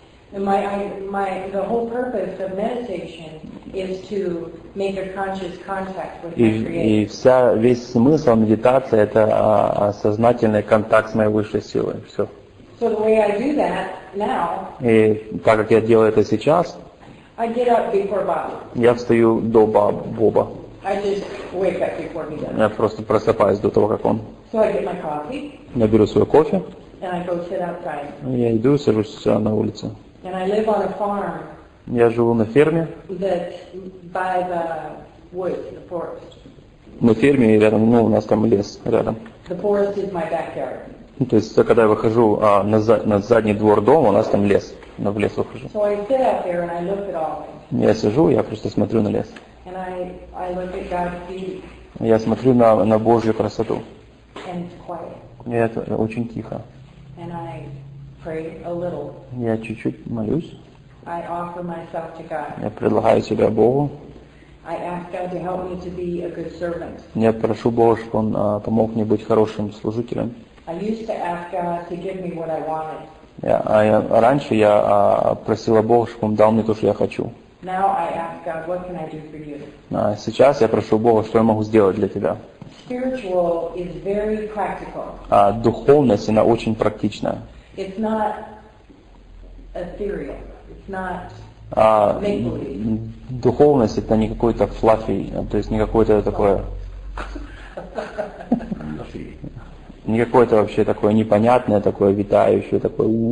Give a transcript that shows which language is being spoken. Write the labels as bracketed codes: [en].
[en] The whole purpose of meditation is to make a conscious contact with the Creator. [ru] И вся весь смысл медитации это сознательный контакт с моей высшей силой. Все. [en] So the way I do that now. [ru] И так как я делаю это сейчас. [en] I get up before Bob. [ru] Я встаю до Боба. [en] I just wake up before he does. [ru] Я просто просыпаюсь до того, как он. [en] So I get my coffee. [ru] Я беру свой кофе. [en] And I go sit outside. [ru] Я иду, сажусь на улице. [en] And I live on a farm. [ru] Я живу на ферме. [en] That by the woods, the forest. [ru] На ферме и рядом, ну, у нас там лес рядом. [en] The forest is my backyard. [ru] То есть, когда я выхожу на задний двор дома, у нас там лес. Но в лес выхожу. [en] So I sit out there and I look at all. [ru] Я сижу, я просто смотрю на лес. [en] And I look at God's beauty. [ru] Я смотрю на Божью красоту. [en] And it's quiet. [ru] И это очень тихо. [en] And I pray a little. [ru] Я чуть-чуть молюсь. [en] I offer myself to God. [ru] Я предлагаю себя Богу. [en] I ask God to help me to be a good servant. [ru] Я прошу Бога, чтобы Он помог мне быть хорошим служителем. [en] I used to ask God to give me what I wanted. [ru] Раньше я просила Бога, чтобы Он дал мне то, что я хочу. [en] Now I ask God, what can I do for you? [ru] Сейчас я прошу Бога, что я могу сделать для тебя. [en] Spiritual is very practical. [ru] Духовность, она очень практична. [en] It's not ethereal. It's not make-believe. [ru] Духовность это не какой-то флаффи, то есть не какое-то такое. Не какое-то вообще такое непонятное, такое витающее, такое.